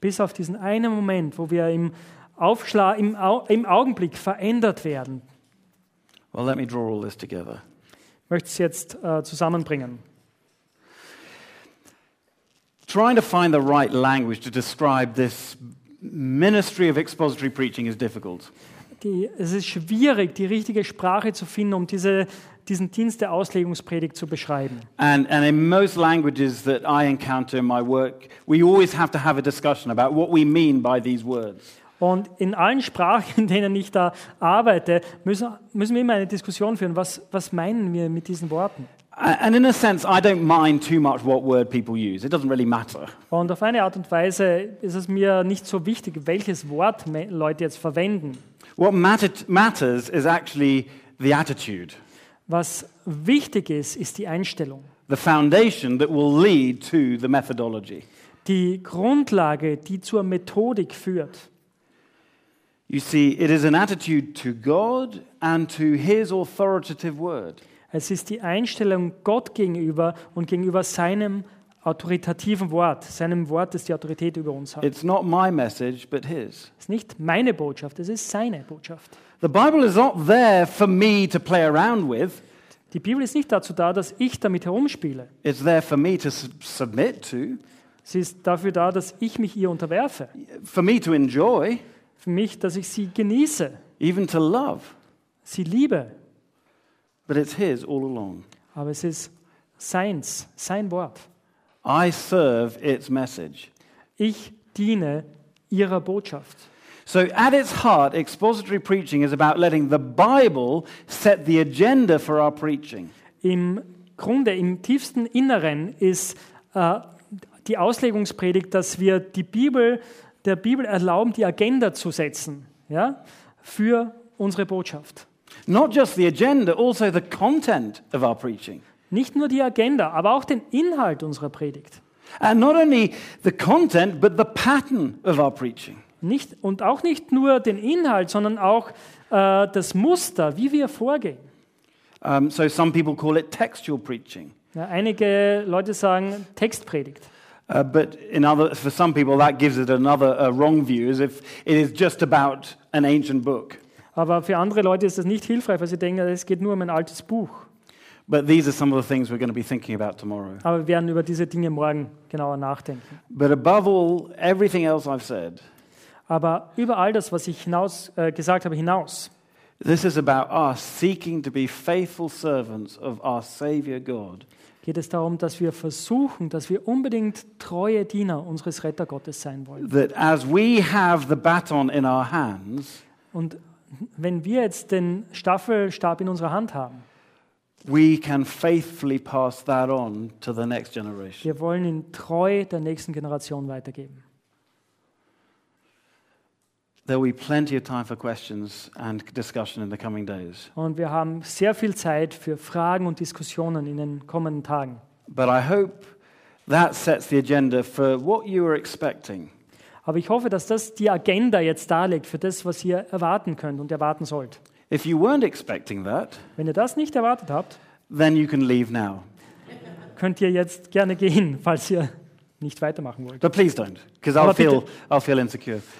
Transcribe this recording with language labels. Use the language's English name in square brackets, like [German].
[German] Bis auf diesen einen Moment, wo wir im Augenblick verändert werden. [English] Well, let me draw all this together. [German] Möchte es jetzt zusammenbringen. [English] Trying to find the right language to describe this ministry of expository preaching is difficult. [German] Es ist schwierig, die richtige Sprache zu finden, um diesen Dienst der Auslegungspredigt zu beschreiben. [English] And in most languages that I encounter in my work, we always have to have a discussion about what we mean by these words. [German] Und in allen Sprachen, in denen ich da arbeite, müssen wir immer eine Diskussion führen. Was meinen wir mit diesen Worten? [English] And in a sense, I don't mind too much what word people use. It doesn't really matter. [German] Und auf eine Art und Weise ist es mir nicht so wichtig, welches Wort Leute jetzt verwenden. [English] What matters is actually the attitude. [German] Was wichtig ist, ist die Einstellung. [English] The foundation that will lead to the methodology. [German] Die Grundlage, die zur Methodik führt. [English] You see, it is an attitude to God and to His authoritative word. [German] Es ist die Einstellung Gott gegenüber und gegenüber seinem autoritativen Wort, seinem Wort, das die Autorität über uns hat. [English] It's not my message, but His. [German] Es ist nicht meine Botschaft, es ist seine Botschaft. [English] The Bible is not there for me to play around with. [German] Die Bibel ist nicht dazu da, dass ich damit herumspiele. [English] It's there for me to submit to. [German] Sie ist dafür da, dass ich mich ihr unterwerfe. [English] For me to enjoy. [German] Für mich, dass ich sie genieße. [English] Even to love. [German] Sie liebe. [English] But it's His all along. [German] Aber es ist seins, sein Wort. [English] I serve its message. [German] Ich diene ihrer Botschaft. [English] So at its heart, expository preaching is about letting the Bible set the agenda for our preaching. [German] Im Grunde, im tiefsten Inneren ist die Auslegungspredigt, dass wir die Bibel, der Bibel erlauben, die Agenda zu setzen, ja, für unsere Botschaft. [English] Not just the agenda, also the content of our preaching. [German] Nicht nur die Agenda, aber auch den Inhalt unserer Predigt. [English] And not only the content, but the pattern of our preaching. [German] Nicht, und auch nicht nur den Inhalt, sondern auch das Muster, wie wir vorgehen. [English] So some people call it textual preaching. [German] Ja, einige Leute sagen Textpredigt. [English] But in other, for some people that gives it another wrong view, as if it is just about an ancient book. [German] Aber für andere Leute ist das nicht hilfreich, weil sie denken, es geht nur um ein altes Buch. [English] But these are some of the things we're going to be thinking about tomorrow. [German] Aber wir werden über diese Dinge morgen genauer nachdenken. [English] But above all, everything else I've said. [German] Aber über all das, was ich gesagt habe, hinaus. [English] This is about us seeking to be faithful servants of our Savior God. [German] Geht es darum, dass wir versuchen, dass wir unbedingt treue Diener unseres Rettergottes sein wollen. [English] That as we have the baton in our hands. [German] Und wenn wir jetzt den Staffelstab in unserer Hand haben, [English] we can faithfully pass that on to the next generation. [German] Wir wollen ihn treu der nächsten Generation weitergeben. [English] There will be plenty of time for questions and discussion in the coming days. [German] Und wir haben sehr viel Zeit für Fragen und Diskussionen in den kommenden Tagen. [English] But I hope that sets the agenda for what you are expecting. [German] Aber ich hoffe, dass das die Agenda jetzt darlegt für das, was ihr erwarten könnt und erwarten sollt. [English] If you weren't expecting that, [German] wenn ihr das nicht erwartet habt, [English] then you can leave now. [German] Könnt ihr jetzt gerne gehen, falls ihr nicht weitermachen wollt. [English] But please don't, because I'll feel insecure.